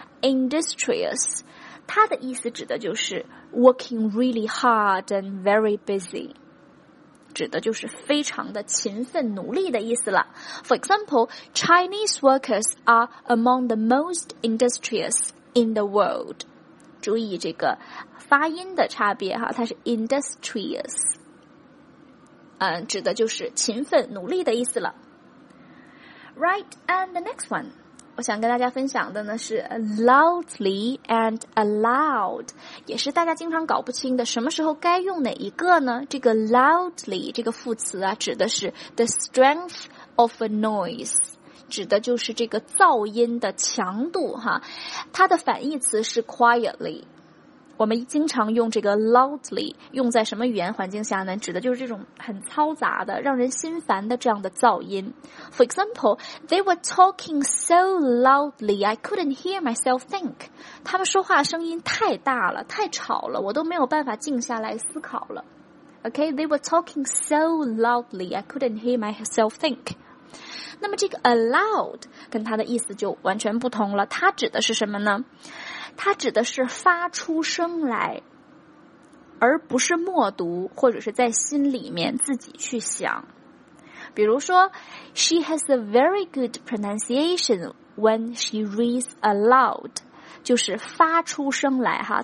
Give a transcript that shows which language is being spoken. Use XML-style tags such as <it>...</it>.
<en>industrious,</en> <zh>它的意思指的就是</zh> <en>working really hard and very busy。</en> <zh>指的就是非常的勤奋努力的意思了。</zh> <en>For example, Chinese workers are among the most industrious in the world.</en> <zh>注意这个发音的差别哈，它是 industrious, 指的就是勤奋努力的意思了。</zh> <en>Right, and the next one.</en> <zh>我想跟大家分享的呢是 loudly and aloud, 也是大家经常搞不清的什么时候该用哪一个呢？这个 loudly 这个副词啊，指的是</zh> <en>the strength of a noise,</en> <zh>指的就是这个噪音的强度哈。它的反义词是 quietly, 我们经常用这个 loudly 用在什么语言环境下呢？指的就是这种很嘈杂的让人心烦的这样的噪音。</zh> <en>For example, they were talking so loudly I couldn't hear myself think.</en> <zh>他们说话声音太大了，太吵了，我都没有办法静下来思考了。</zh> <en>OK, they were talking so loudly I couldn't hear myself think.</en> <zh>那么这个 aloud 跟它的意思就完全不同了，它指的是什么呢？它指的是发出声来，而不是默读或者是在心里面自己去想。比如说</zh> <en>She has a very good pronunciation when she reads aloud,</en> <zh>就是发出声来哈。</zh>